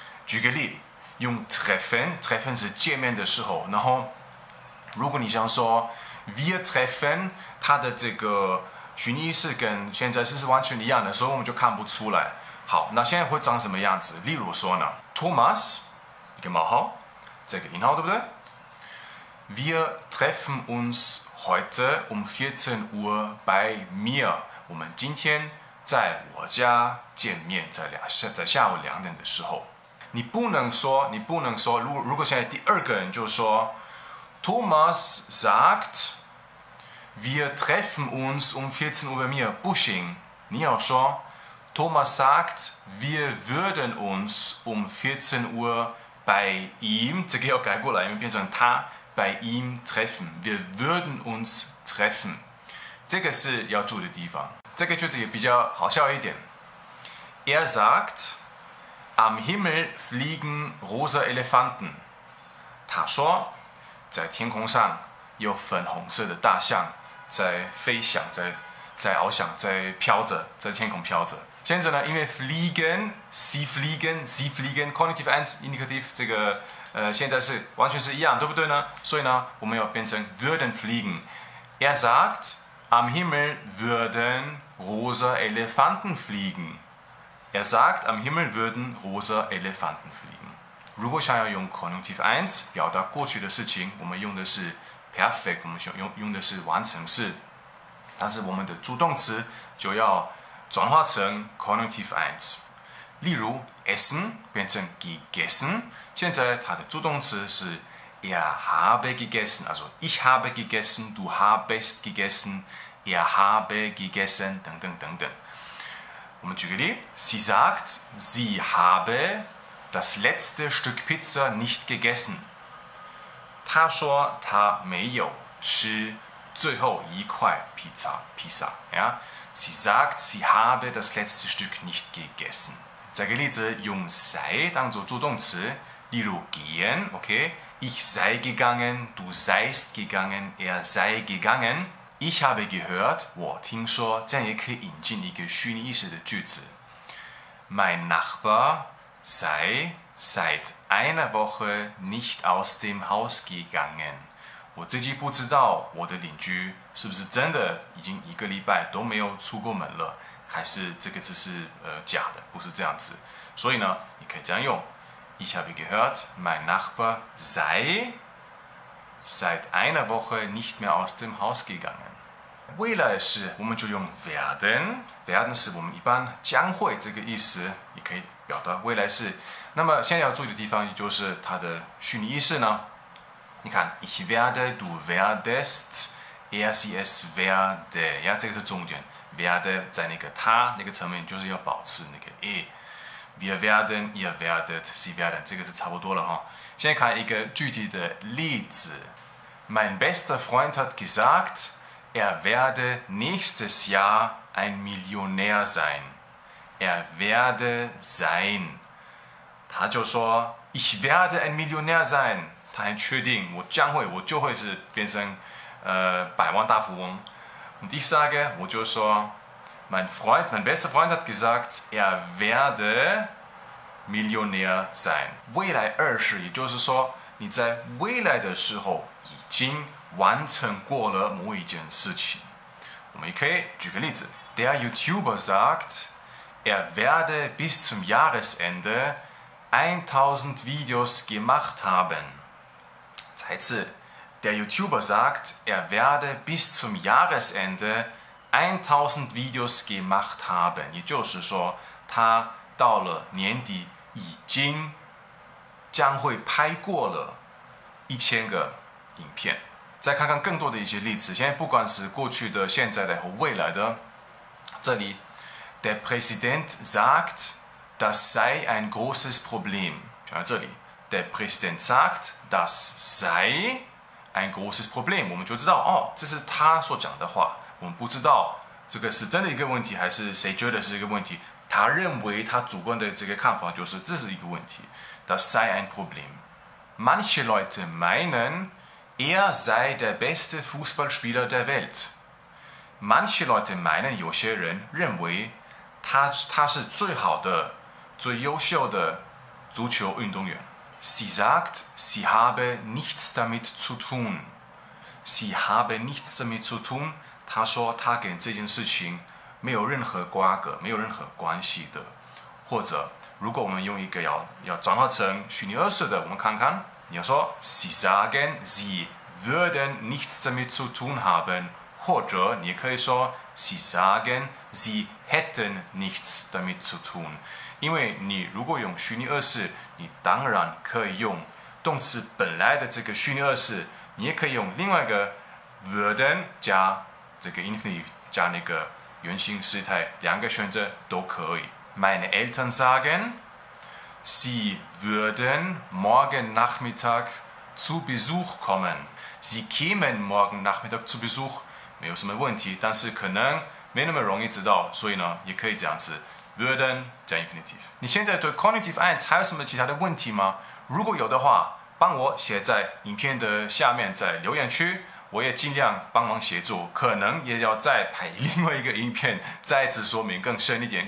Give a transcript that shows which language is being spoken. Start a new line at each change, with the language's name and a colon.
Chinese: 举个例，用 treffen 是见面的时候，然后如果你想说
German: wir treffen，
Chinese: 它的这个虚拟式跟现在式是完全一样的，所以我们就看不出来。好，那现在会长什么样子？例如说呢 ，Thomas， 一个冒号，这个引号对不对？
German: Wir treffen uns heute um 14 Uhr bei mir.
Chinese: 我们今天在我家见面，在下午两点的时候。你不能说，如果现在第二个人就说
German: ，Thomas sagt, wir treffen uns um 14 Uhr bei mir.
Chinese: 不行，你要说
German: ，Thomas sagt, wir würden uns um 14 Uhr bei ihm.
Chinese: 这个要改过来，因为变成他。
German: Bei ihm treffen. Wir würden uns treffen.
Chinese: 这个是要住的地方。这个句子也比较好笑一点。
German: Er sagt, am Himmel fliegen rosa Elefanten.
Chinese: 他说，在天空上有粉红色的大象在飞翔，在翱翔，在飘着，在天空飘着。现在呢，因为 fliegen,
German: sie fliegen,
Chinese: Konjunktiv 1, Indikativ 这个现在是完全是一样，对不对呢？所以呢，我们要变成
German: würden fliegen。 Er sagt, am Himmel würden rosa Elefanten fliegen. Er sagt, am Himmel würden rosa Elefanten fliegen.
Chinese: 如果想要用 Konjunktiv 1表达过去的事情，我们用的是 perfect， 我们用的是完成式。但是我们的助动词就要转化成 Konjunktiv 1。
German: 例如 essen 变成 gegessen，
Chinese: 现在它的助动词是
German: er habe gegessen， also ich habe gegessen， du habest gegessen， er habe gegessen
Chinese: 等等等等。我们举个例，
German: sie sagt sie habe das letzte Stück Pizza nicht gegessen，
Chinese: 她说她没有吃最后一块披萨、
English: yeah?
Chinese: sie sagt sie habe das letzte Stück nicht gegessen。这个例子用 sei 当作助动词，例如 gehen， OK，
German: ich sei gegangen， du seist gegangen， er sei gegangen， ich habe gehört，
Chinese: 我听说，这样也可以引进一个虚拟意识的句子。
German: Mein Nachbar sei seit einer Woche nicht aus dem Haus gegangen。
Chinese: 我自己不知道我的邻居是不是真的已经一个礼拜都没有出过门了。还是这个字是假的，不是这样子。所以呢，你可以这样用
German: ：Ich habe gehört, mein Nachbar sei seit einer Woche nicht mehr aus dem Haus gegangen。
Chinese: 未来式我们就用 werden 是我们一般将会这个意思，也可以表达未来式。那么现在要注意的地方，也就是它的虚拟意识呢？你看
German: ，ich werde, du werdest, er, sie, es werde，
Chinese: 呀，这个是重点。 werde 在那个他那个层面就是要保持那个 e，
German: wir werden， ihr werdet， sie werden，
Chinese: 这个是差不多了哈。现在看一个具体的例子，
German: mein bester Freund hat gesagt， er werde nächstes Jahr ein Millionär sein， er werde sein，
Chinese: 他就说
German: ich werde ein Millionär sein，
Chinese: 他很确定我就会是变成百万大富翁。
German: Und ich sage, Mojoso, mein bester Freund hat gesagt, er werde Millionär sein.
Chinese: 未来二十，也就是说，你在未来的时候已经完成过了某一件事情。我们可以举个例子。
German: Der YouTuber sagt, er werde bis zum Jahresende 1000 Videos gemacht haben.
Chinese: 再次。
German: Der YouTuber sagt, er werde bis zum Jahresende 1000 Videos gemacht haben.
Chinese: 也就是说，他到了年底已经将会拍过了1000个影片。再看看更多的一些例子，现在不管是过去的、现在的和未来的，这里
German: Der Präsident sagt, das sei ein großes Problem.
Chinese: 就在这里
German: Der Präsident sagt, das sei... ein großes Problem，
Chinese: 我们就知道哦，这是他所讲的话。我们不知道这个是真的一个问题，还是谁觉得是一个问题？他认为他主观的这个看法就是这是一个问题。
German: Das sei ein Problem. Manche Leute meinen, er sei der beste Fußballspieler der Welt. Manche Leute meinen,
Chinese: 有些人认为他是最好的、最优秀的足球运动员。
German: Sie sagt, sie habe nichts damit zu tun. Sie habe nichts damit zu tun.
Chinese: 他说他跟这件事情没有任何瓜葛，没有任何关系的。或者，如果我们用一个要转化成虚拟二式的，我们看看，你要说
German: Sie sagen, sie würden nichts damit zu tun haben.
Chinese: 或者你可以说
German: Sie sagen, sie hätten nichts damit zu tun.
Chinese: 因为你如果用虚拟二式，你当然可以用动词本来的这个虚拟二式，你也可以用另外一个 würden 加这个 infinitive 加那个原形时态，两个选择都可以。
German: Meine Eltern sagen, sie würden morgen Nachmittag zu Besuch kommen. Sie kämen morgen Nachmittag zu Besuch.
Chinese: 没有什么问题，但是可能没那么容易知道，所以呢，也可以这样子 würden 加 infinitive。你现在对 cognitive ends 还有什么其他的问题吗？如果有的话，帮我写在影片的下面，在留言区，我也尽量帮忙协助，可能也要再拍另外一个影片，再次说明更深一点。